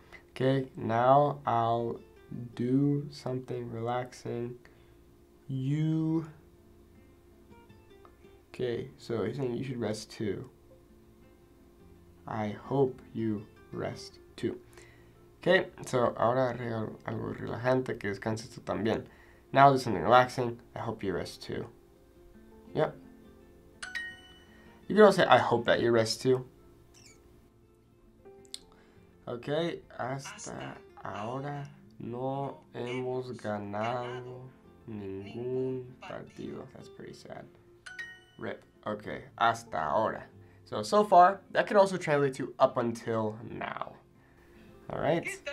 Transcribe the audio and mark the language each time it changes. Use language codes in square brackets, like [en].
[en] Okay, now I'll do something relaxing. You. Okay, so he's saying you should rest too. I hope you rest too. Okay, so [es] ahora algo relajante que descanses tú también. [en] Now do something relaxing. I hope you rest too. Yep. You can also say, I hope that you rest too. [es] Okay, hasta ahora no hemos ganado ningún partido. [en] That's pretty sad. Rip. Okay, [es] hasta ahora. [en] So far, that could also translate to up until now. Alright.